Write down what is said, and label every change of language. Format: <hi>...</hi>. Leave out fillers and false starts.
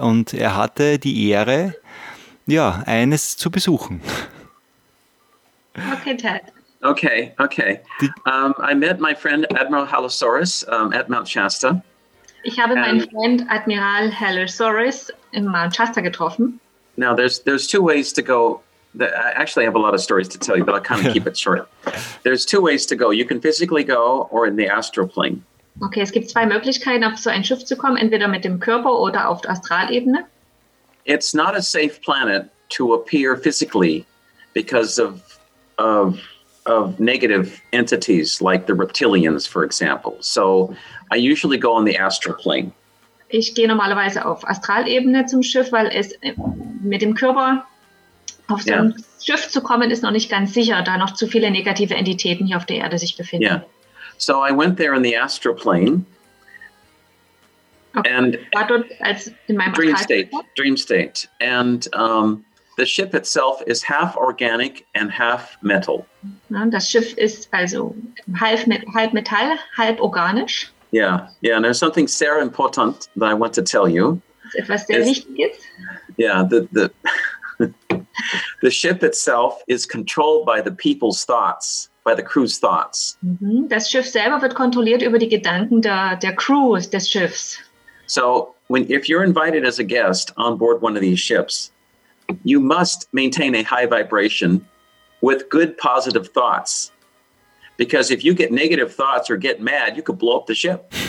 <de>Und er hatte die Ehre, ja, eines zu besuchen. Okay, Ted.</de> <en>Okay, okay. I met my friend Admiral Halosaurus at Mount Shasta.</en> <de>Ich habe meinen Freund Admiral Halosaurus in Mount Shasta getroffen.</de> <en>Now, there's two ways to go. I actually have a lot of stories to tell you, but I'll kind of keep it short. There's two ways to go. You can physically go or in the astral plane.</en> <de>Okay, es gibt zwei Möglichkeiten, auf so ein Schiff zu kommen, entweder mit dem Körper oder auf der Astralebene.</de> <en>It's not a safe planet to appear physically because of negative entities like the reptilians, for example. So I usually go on the astral plane.</en> <de>Ich gehe normalerweise auf Astralebene zum Schiff, weil es mit dem Körper auf so ein Schiff zu kommen ist noch nicht ganz sicher, da noch zu viele negative Entitäten hier auf der Erde sich befinden.</de> <en>Yeah. So I went there in the astral plane.</en> <de>Okay. And war dort als in meinem</de> <en>Dream State. And the ship itself is half organic and half metal.</en> <de>Das Schiff ist also halb Metall, halb organisch.</de> <en>Yeah, yeah. And there's something</en> <de>sehr</de> <en>important that I want to tell you.</en> <de>Etwas sehr Wichtiges.</de> <en>Yeah, the ship itself is controlled by the people's thoughts, by the crew's thoughts.</en> <de>Das Schiff selber wird kontrolliert über die Gedanken der Crew des Schiffs.</de> <en>So, if you're invited as a guest on board one of these ships, you must maintain a high vibration with good positive thoughts. Because if you get negative thoughts or get mad, you could blow up the ship.</en>